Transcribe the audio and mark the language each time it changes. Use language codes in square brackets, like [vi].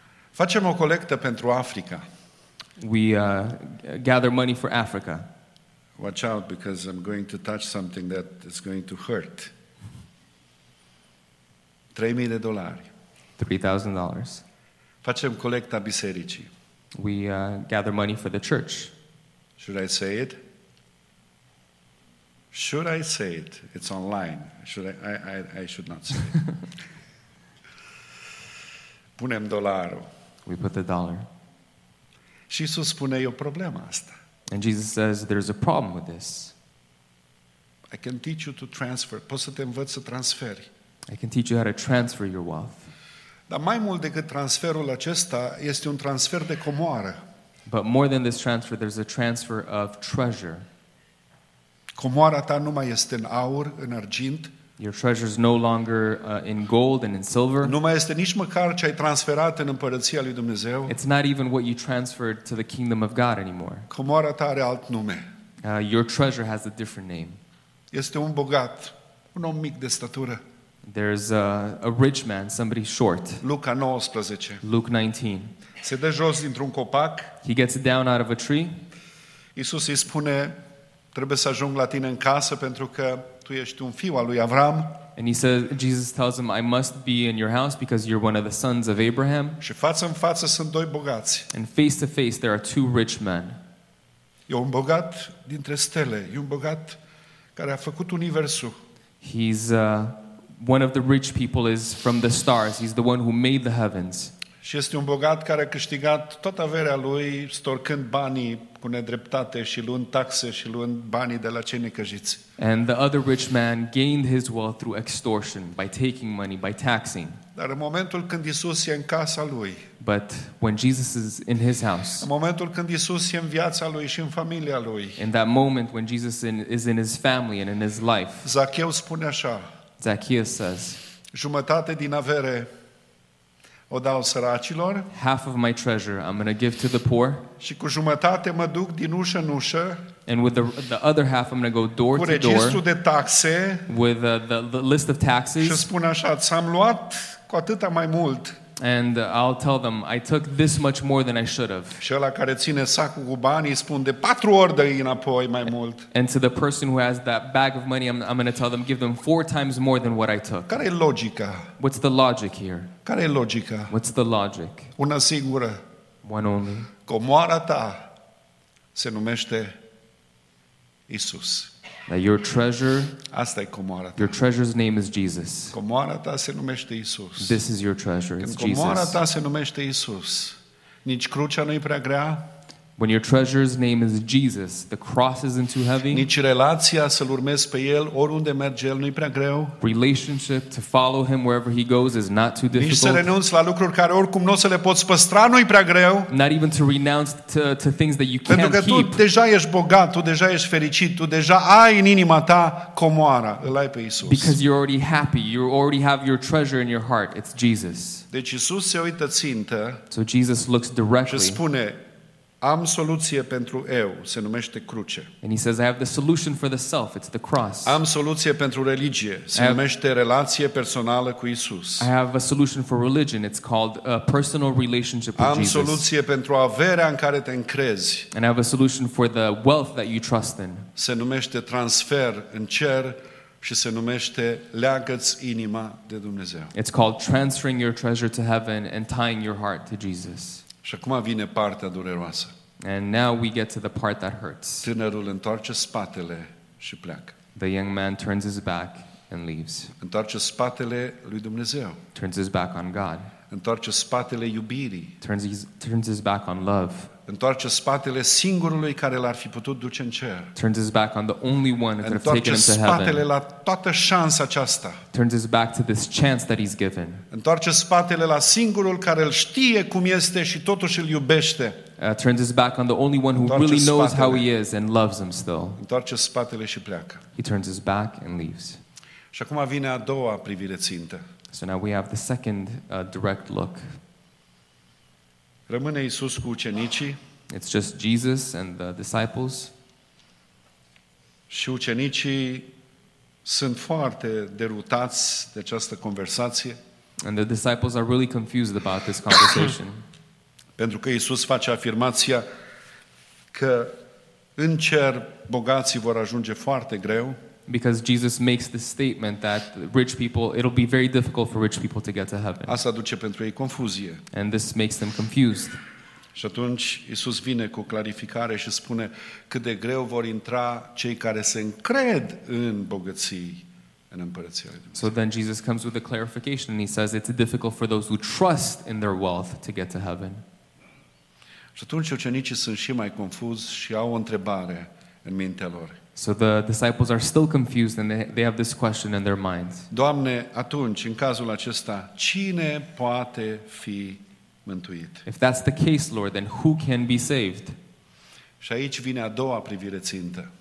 [ro] Facem o colectă pentru Africa. [en] We gather money for Africa. Watch out, because I'm going to touch something that is going to hurt. $3,000. $3,000. [ro] Facem colecta bisericii. [en] We gather money for the church. Should I say it? Should I say it? It's online. Should I should not say it. [ro] Punem dolarul. [en] We put the dollar. [ro] Și Iisus spune, e o problemă asta. [en] And Jesus says, there's a problem with this. I can teach you to transfer. [ro] Poți să te învăț să transferi. [en] I can teach you how to transfer your wealth. [ro] Dar mai mult decât transferul acesta, este un transfer de comoară. [en] But more than this transfer, there's a transfer of treasure. [ro] Comoara ta nu mai este în aur, în argint. [en] Your treasure is no longer in gold and in silver. [ro] Nu mai este nici măcar ce ai transferat în împărăția lui Dumnezeu. [en] It's not even what you transferred to the kingdom of God anymore. [ro] Comoara ta are alt nume. [en] Your treasure has a different name. [ro] Este un bogat, un om mic de statură. [en] There's a rich man, somebody short. [ro] Luca 19. [en] Luke 19. [ro] Se dă jos dintr-un copac. [en] He gets down out of a tree. [ro] Iisus îi spune, trebuie să ajung la tine în casă pentru că tu ești un fiu al lui Avram. [en] And he says, Jesus tells him, I must be in your house because you're one of the sons of Abraham. [ro] Și față în față sunt doi bogați. [en] And face to face there are two rich men. [ro] E un bogat dintre stele, e un bogat care a făcut universul. [en] He's one of the rich people is from the stars. He's the one who made the heavens. [ro] Și este un bogat care a câștigat toată averea lui storcând banii cu nedreptate și luând taxe și luând banii de la cei necăjiți. [en] And the other rich man gained his wealth through extortion, by taking money, by taxing. [ro] Dar în momentul când Iisus e în casa lui, [en] but when Jesus is in his house, [ro] în momentul când Iisus e în viața lui și în familia lui, [en] in that moment when Jesus is in his family and in his life, [ro] Zacheu spune așa, [en] Zacchaeus says, [ro] jumătate din avere o dau săracilor. [en] Half of my treasure I'm going to give to the poor. [ro] Și cu jumătate mă duc din ușă în ușă. [en] And with the other half I'm going to go door to door. [ro] Cu registru de taxe. [en] With the list of taxes. [ro] Și spun așa, ți-am luat cu atâta mai mult. [en] And I'll tell them, I took this much more than I should have. [ro] Și ăla care ține sacul cu banii spune, de patru ori dă-i înapoi mai mult. [en] And to the person who has that bag of money, I'm going to tell them, give them four times more than what I took. [ro] Care e logica? [en] What's the logic here? [ro] Care e logica? [en] What's the logic? [ro] Una singură. [en] One only. [ro] Comoara ta se numește Isus. [en] That your treasure, [ro] asta e comoara ta. [en] Your treasure's name is Jesus. [ro] Comoara ta se numește Iisus. [en] This is your treasure, it's Jesus. [ro] Comoara ta se numește Iisus. Nici crucea nu e prea grea. [en] When your treasure's name is Jesus, the cross isn't too heavy. [ro] Nici relația să-l urmezi pe el oriunde merge el nu-i prea greu. [en] Relationship to follow him wherever he goes is not too difficult. [ro] Nici să renunți la lucruri care oricum nu o să le poți păstra nu-i prea greu. [en] Not even to renounce to things that you can't keep. [ro] Pentru că tu deja ești bogat, tu deja ești fericit, tu deja ai în inima ta comoara, îl ai pe Iisus. [en] Because you're already happy, you already have your treasure in your heart. It's Jesus. [ro] Deci Iisus se uită țintă. [en] So Jesus looks directly. [ro] Și spune: am soluție pentru eu, se numește cruce. [en] And he says, I have the solution for the self, it's the cross. [ro] Am soluție pentru religie, se numește relație personală cu Isus. [en] I have a solution for religion, it's called a personal relationship with [ro] Am [en] Jesus. [ro] Am soluție pentru averea în care te încrezi. [en] And I have a solution for the wealth that you trust in. [ro] Se numește transfer în cer și se numește leagă-ți inima de Dumnezeu. [en] It's called transferring your treasure to heaven and tying your heart to Jesus. [ro] Și acum vine partea dureroasă. [en] And now we get to the part that hurts. [ro] Tânărul întoarce spatele și pleacă. [en] The young man turns his back and leaves. [ro] Întoarce spatele lui Dumnezeu. [en] Turns his back on God. [ro] Întoarce spatele iubirii. [en] Turns his back on love. [ro] Întoarce spatele singurului care l-ar fi putut duce în cer. [en] Turns his back on the only one that could have taken him to heaven. [ro] Întoarce spatele la toată șansa aceasta. [en] Turns his back to this chance that he's given. [ro] Întoarce spatele la singurul care îl știe cum este și totuși îl iubește. [en] Turns his back on the only one who really knows how he is and loves him still. [ro] Întoarce spatele și pleacă. [en] He turns his back and leaves. [ro] Și acum vine a doua privire țintă. [en] So now we have the second direct look. [ro] Rămâne Iisus cu ucenicii. [en] It's just Jesus and the disciples. [ro] Și ucenicii sunt foarte derutați de această conversație. [en] And the disciples are really confused about this conversation. [ro] Pentru că Iisus face afirmația că în cer bogații vor ajunge foarte greu. [en] Because Jesus makes the statement that rich people, it'll be very difficult for rich people to get to heaven. [ro] Asta aduce pentru ei confuzie. [en] And this makes them confused. [ro] Și atunci Iisus vine cu clarificare și spune cât de greu vor intra cei care se încred în bogății, în împărăția lui Dumnezeu. [en] So then Jesus comes with a clarification and he says it's difficult for those who trust in their wealth to get to heaven. [ro] Și atunci ucenicii sunt și mai confuzi și au o întrebare în mintea lor. [en] So the disciples are still confused and they have this question in their minds. [ro] Doamne, atunci, în cazul acesta, cine poate fi mântuit? [en] If that's the case, Lord, then who can be saved? [ro] Și aici vine a doua privire țintă.